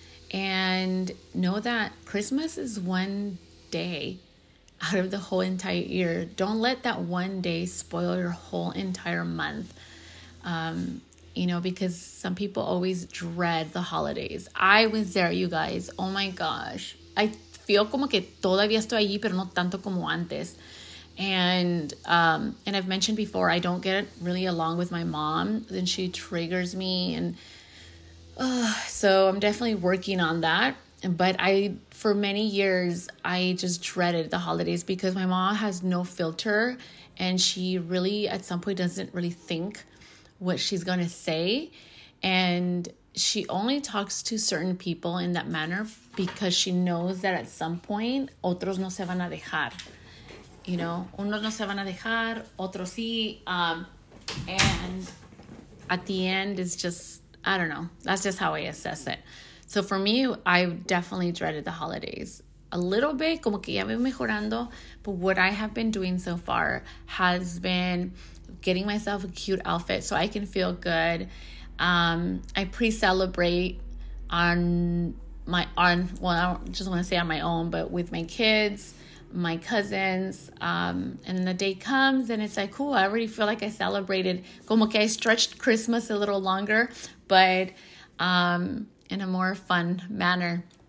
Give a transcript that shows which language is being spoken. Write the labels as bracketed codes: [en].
[en] And know that Christmas is one day out of the whole entire year. Don't let that one day spoil your whole entire month. You know, because some people always dread the holidays. I was there, you guys. Oh my gosh. I feel [es] como que todavía estoy allí, pero no tanto como antes. [en] And I've mentioned before, I don't get really along with my mom. Then she triggers me. And so I'm definitely working on that. But for many years, I just dreaded the holidays because my mom has no filter. And she really, at some point, doesn't really think what she's going to say. And she only talks to certain people in that manner because she knows that at some point, [es] otros no se van a dejar. [en] You know, [es] unos no se van a dejar, otros sí. [en] And at the end, it's just, I don't know. That's just how I assess it. So for me, I definitely dreaded the holidays. A little bit, [es] como que ya voy mejorando. [en] But what I have been doing so far has been getting myself a cute outfit so I can feel good. I pre-celebrate on my own, but with my kids, my cousins, and the day comes and it's like, cool, I already feel like I celebrated, [es] como que [en] I stretched Christmas a little longer, but in a more fun manner.